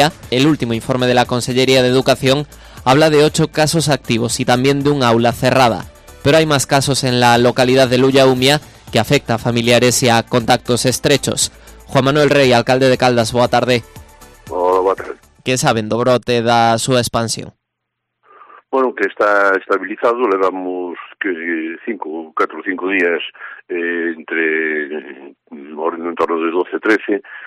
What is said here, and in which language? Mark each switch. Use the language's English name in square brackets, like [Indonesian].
[Spanish] El último informe de la Consellería de Educación habla de 8 casos activos y también de un aula cerrada. Pero hay más casos en la localidad de Luya Umia que afecta a familiares y a contactos estrechos. Juan Manuel Rey, alcalde de Caldas, [Galician] boa tarde. Hola, boa tarde. ¿Qué saben do brote da súa expansión? Bueno, que está estabilizado, levamos 4 o 5 días entre en torno de 12-13.